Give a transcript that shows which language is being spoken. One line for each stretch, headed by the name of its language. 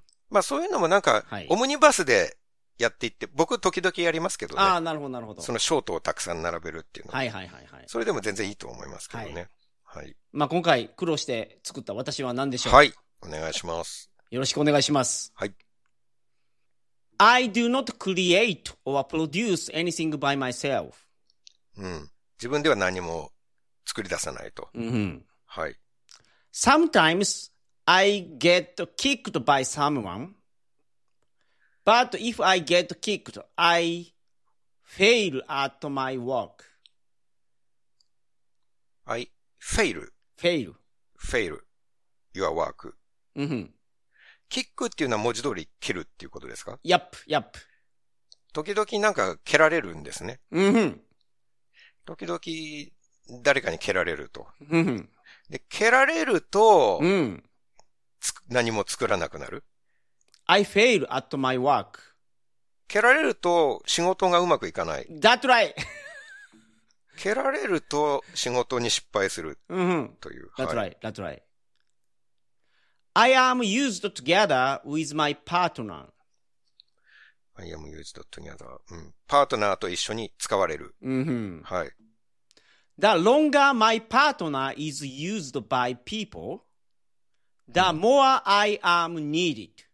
Japanese: まあそういうのもなんか、オムニバスでやっていって、僕時々やりますけどね。ああ、なるほど、なるほど。そのショートをたくさん並べるっていうのは。はい。それでも全然いいと思いますけどね。はい。まあ、今回苦労して作った私は何でしょう。はい。お願いします。よろしくお願いします。はい。
English: I do not create or produce anything by myself.
Japanese: うん。自分では何も作り出さないと。うん。はい。
English: Sometimes I get kicked by someone. But if I get kicked, I fail at my work. I fail your work.
Japanese: うん。キックっていうのは文字通り蹴るっていうことですか？
English: Yep, yep.
Japanese: 時々なんか蹴られるんですね。うん。時々誰かに蹴られると。うん。で、蹴られると、うん。何も作らなくなる。
English: I fail at my work.
Japanese: 蹴られると仕事がうまくいかない。
English: That's right.
Japanese: 蹴られると仕事に失敗するという。
English: That's right, that's right. I am used together with my partner. I am used together.
Japanese: パートナーと一緒に使われる。はい。
English: The longer my partner is used by people, the more I am needed.